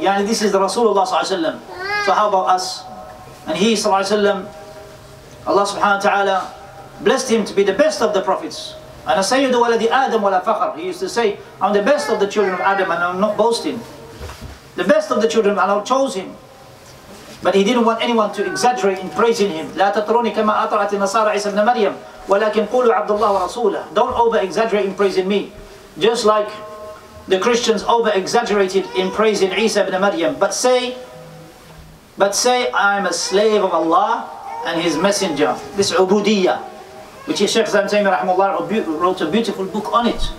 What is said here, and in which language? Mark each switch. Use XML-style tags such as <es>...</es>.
<en>Yani this is the Rasulullah. So how about us? And he, Allah subhanahu wa ta'ala blessed him to be the best of the prophets. And Sayyidu waladi Adam wala fakhr. He used to say, I'm the best of the children of Adam and I'm not boasting. The best of the children and Allah chose him. But he didn't want anyone to exaggerate in praising him.</en> <ar>لا تطروني كما أطرعت النصارى عيسى بن مريم ولكن قولوا عبد الله ورسوله.</ar> <en>Don't over-exaggerate in praising me. Just like the Christians over-exaggerated in praising Isa ibn Maryam. But say, I'm a slave of Allah and His Messenger. This Ubudiyya, which is Shaykh Zantaymi rahimahullah wrote a beautiful book on it.</en>